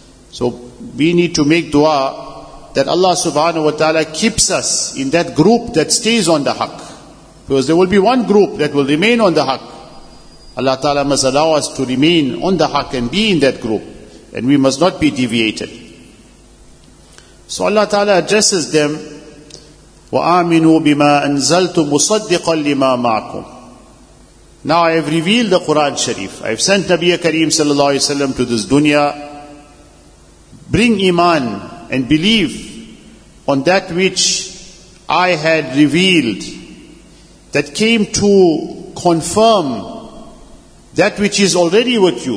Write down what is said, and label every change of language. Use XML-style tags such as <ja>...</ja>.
<en>So we need to make dua that Allah subhanahu wa ta'ala keeps us in that group that stays on the haqq. Because there will be one group that will remain on the haqq. Allah Ta'ala must allow us to remain on the haqq and be in that group. And we must not be deviated. So Allah Ta'ala addresses them,</en> <ar>وَآمِنُوا بِمَا أَنزَلْتُ مُصَدِّقًا لِمَا مَعْكُمْ.</ar> <en>Now I have revealed the Quran Sharif. I have sent Nabiya Kareem sallallahu alayhi wa sallam to this dunya. Bring iman and believe on that which I had revealed, that came to confirm that which is already with you.</en>